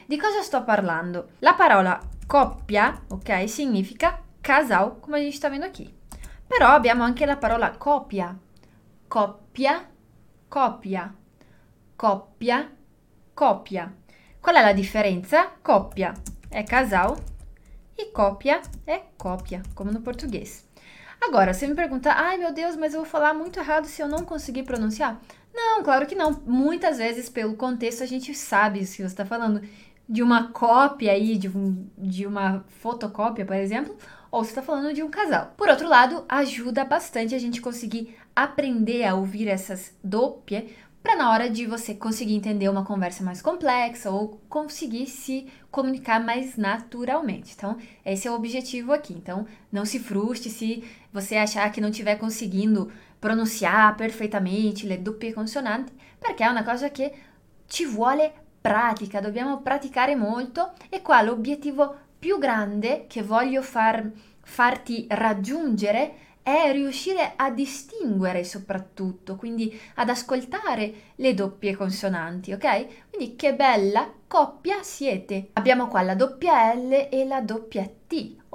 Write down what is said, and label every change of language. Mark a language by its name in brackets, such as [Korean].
[Italian] Di cosa sto parlando? La parola coppia, ok, significa casau, come gli sta vedendo qui. Però abbiamo anche la parola copia. Coppia, copia, coppia, copia. Qual è la differenza? Coppia è casau. E copia è copia, come [Portuguese] no português. Agora, você me pergunta, ai meu Deus, mas eu vou falar muito errado se eu não conseguir pronunciar? Não, claro que não. Muitas vezes, pelo contexto, a gente sabe se você está falando de uma cópia aí, de uma fotocópia, por exemplo, ou se está falando de um casal. Por outro lado, ajuda bastante a gente conseguir aprender a ouvir essas doppie para na hora de você conseguir entender uma conversa mais complexa ou conseguir se comunicar mais naturalmente. Então, esse é o objetivo aqui. Então, não se frustre se você achar que não estiver conseguindo pronunciar perfeitamente, [Italian] le doppie consonanti, [Portuguese] porque é uma coisa que [Italian] ci vuole pratica, dobbiamo praticare molto. E qua l'obiettivo più grande che voglio farti raggiungere è riuscire a distinguere soprattutto, quindi ad ascoltare le doppie consonanti, ok? Quindi che bella coppia siete! Abbiamo qua la doppia L e la doppia T.